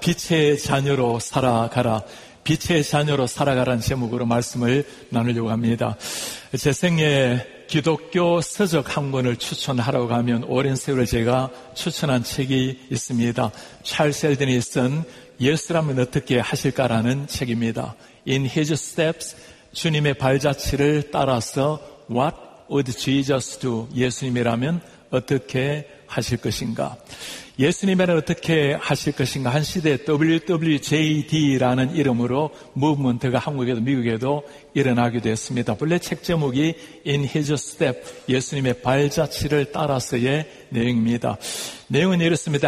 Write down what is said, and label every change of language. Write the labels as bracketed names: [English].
[Korean] 빛의 자녀로 살아가라. 빛의 자녀로 살아가라는 제목으로 말씀을 나누려고 합니다. 제 생애 기독교 서적 한 권을 추천하라고 하면 오랜 세월 제가 추천한 책이 있습니다. 찰스 엘든이 쓴 예수라면 어떻게 하실까라는 책입니다. [English] In His Steps, [Korean] 주님의 발자취를 따라서 [English] What would Jesus do? [Korean] 예수님이라면 어떻게 하실 것인가? 예수님이라면 어떻게 하실 것인가? 한 시대에 WWJD라는 이름으로 무브먼트가 한국에도 미국에도 일어나기도 했습니다. 본래 책 제목이 In His Step, 예수님의 발자취를 따라서의 내용입니다. 내용은 이렇습니다.